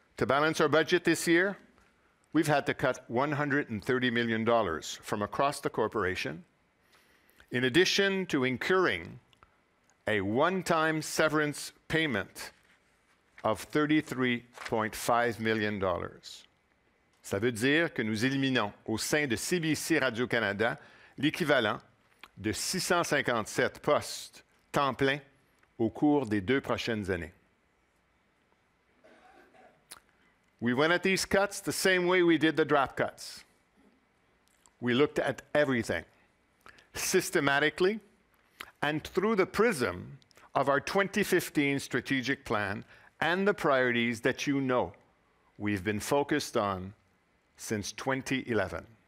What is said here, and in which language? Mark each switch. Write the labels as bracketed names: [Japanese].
[English] To balance our budget this year, we've had to cut $130 million from across the corporation, in addition to incurring a one-time severance payment of $33.5 million. [French] Ça veut dire que nous éliminons au sein de CBC Radio-Canada l'équivalent de 657 postes temps plein au cours des deux prochaines années. [English] We went at these cuts the same way we did the draft cuts. We looked at everything systematically and through the prism of our 2015 strategic plan and the priorities that you know we've been focused on since 2011.